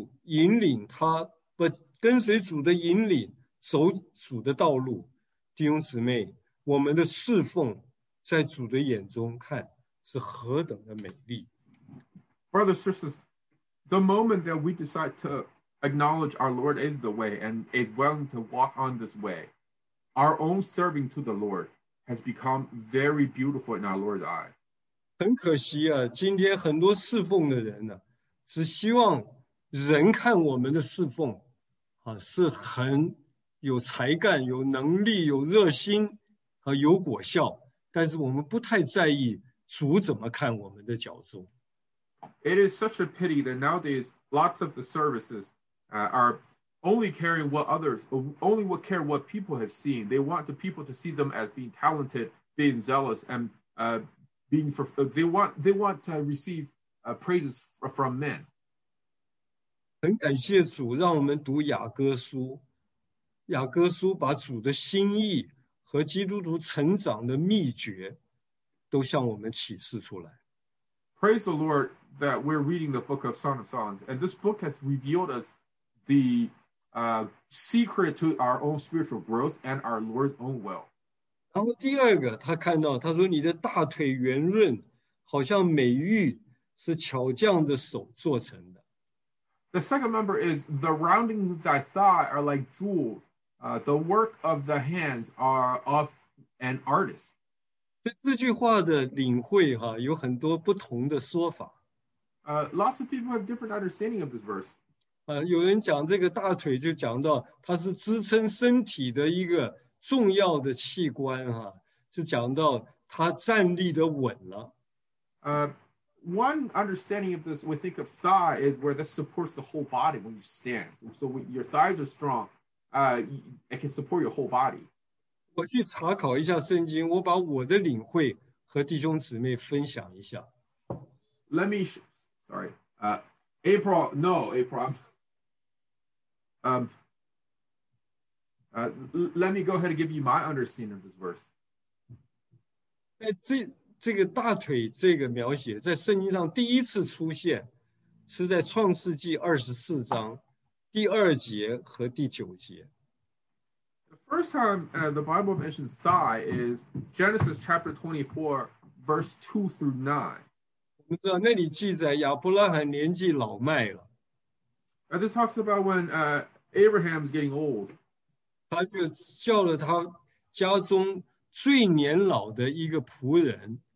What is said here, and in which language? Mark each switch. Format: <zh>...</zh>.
<zh>弟兄姊妹们，若是我们追求主到一个地步，以主做我们的道路，跟随主引领他，不跟随主的引领，走主的道路，弟兄姊妹，我们的侍奉在主的眼中看是何等的美丽。</zh> <en>Brothers, sisters, the moment that we decide to acknowledge our Lord is the way and is willing to walk on this way, our own serving to the Lord has become very beautiful in our Lord's eye.</en> <zh>很可惜啊，今天很多侍奉的人呢，只希望人看我们的侍奉，啊，是很有才干、有能力、有热心和有果效，但是我们不太在意主怎么看我们的脚踪。</zh> <en>It is such a pity that nowadays lots of the services are only caring what others, only what care what people have seen. They want the people to see them as being talented, being zealous, and being for, they want to receive praises from men.</en> <zh>很感谢主，让我们读雅各书。雅各书把主的心意和基督徒成长的秘诀都向我们启示出来。</zh> <en>Praise the Lord that we're reading the book of Song of Songs, and this book has revealed us the secret to our own spiritual growth and our Lord's own will.</en> <zh>然后第二个，他看到，他说你的大腿圆润，好像美玉，是巧匠的手做成的。</zh> <en>The second member is the roundings of thy thigh are like jewels. The work of the hands are of an artist.</en> <zh>这句话的领会哈，有很多不同的说法。</zh> <en>Lots of people have different understanding of this verse.</en> <zh>有人讲这个大腿就讲到它是支撑身体的一个重要的器官哈，就讲到它站立的稳了。</zh> <en>One understanding of this, we think of thigh, is where this supports the whole body when you stand. So when your thighs are strong, it can support your whole body.</en> <zh>我去查考一下圣经，我把我的领会和弟兄姊妹分享一下。</zh> <en>Let me, sorry, April, no, April, let me go ahead and give you my understanding of this verse.</en> <zh>这个大腿这个描写在圣经上第一次出现是在创世纪24章第二节和第九节。</zh> <en>The first time the Bible mentions thigh is Genesis chapter 24, verse 2 through 9.</en> <zh>我们知道那里记载亚伯拉罕年纪老迈了。</zh> <en>This talks about when Abraham is getting old.</en> <zh>他就叫了他家中最年老的一个仆人。</zh>